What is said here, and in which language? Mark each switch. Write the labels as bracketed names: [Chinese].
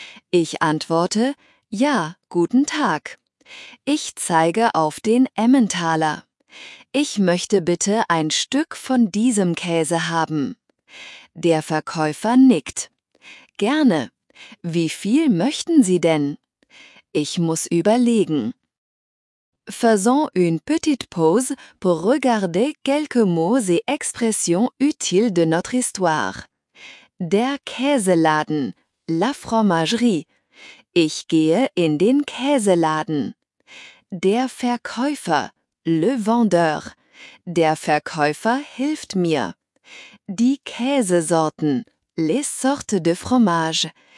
[German] Ich antworte, ja, guten Tag. Ich zeige auf den Emmentaler. Ich möchte bitte ein Stück von diesem Käse haben. Der Verkäufer nickt. Gerne. Wie viel möchten Sie denn? Ich muss überlegen. [French] Faisons une petite pause pour regarder quelques mots et expressions utiles de notre histoire. [German] Der Käseladen, [French] la fromagerie. [German] Ich gehe in den Käseladen. Der Verkäufer, [French] le vendeur. [German] Der Verkäufer hilft mir. Die Käsesorten, [French] les sortes de fromage.